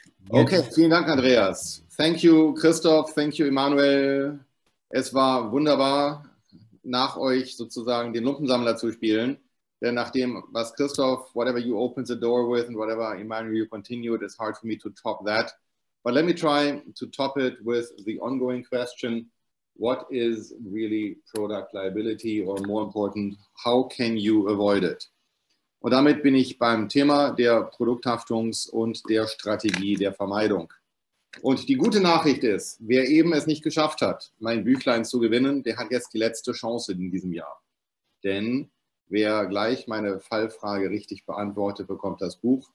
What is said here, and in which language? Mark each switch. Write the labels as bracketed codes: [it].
[en] Okay, [de] vielen Dank, [en] Andreas. Thank you, Christoph. Thank you, Emanuel. [de] Es war wunderbar, nach euch sozusagen den Lumpensammler zu spielen. Denn nachdem, was [en] Christoph, whatever you open the door with and whatever, Emanuel, you continued, it's hard for me to top that. But let me try to top it with the ongoing question. What is really product liability or more important, how can you avoid it? [de] Und damit bin ich beim Thema der Produkthaftungs- und der Strategie der Vermeidung. Und die gute Nachricht ist, wer eben es nicht geschafft hat, mein Büchlein zu gewinnen, der hat jetzt die letzte Chance in diesem Jahr. Denn wer gleich meine Fallfrage richtig beantwortet, bekommt das Buch.